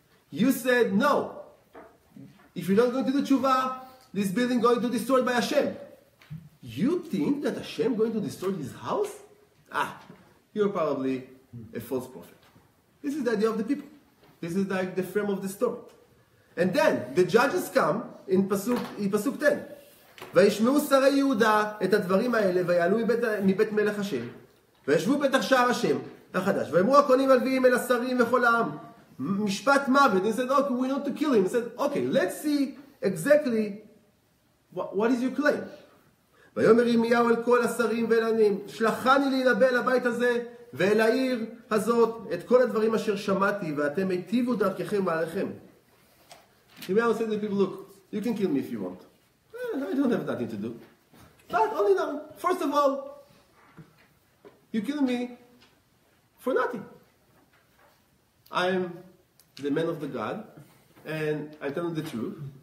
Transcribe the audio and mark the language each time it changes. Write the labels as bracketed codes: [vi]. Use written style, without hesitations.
[en] You said no. If you're not going to do tshuva, this building going to be destroyed by Hashem. You think that Hashem going to destroy his house? Ah, you're probably a false prophet. This is the idea of the people. This is like the frame of the story. And then the judges come in Pasuk 10. [he] וישמעו שרי יהודה את הדברים האלה ויעלו מבית מלך השם וישבו בטח שער השם החדש ואמרו הקונים הלוויים אל השרים וכל העם משפט מוות. [en] He said, okay, we need to kill him. He said, okay, let's see exactly what is your claim. [he] ויאמר ירמיהו אל כל השרים ואל העניים שלחני להינבא לבית הזה ואל העיר הזאת את כל הדברים אשר שמעתי ואתם היטיבו דרככם מעליכם. [en] ירמיהו said to the people, look, you can kill me if you want. I don't have nothing to do. But only now. First of all, you're killing me for nothing. I'm the man of the God, and I tell you the truth.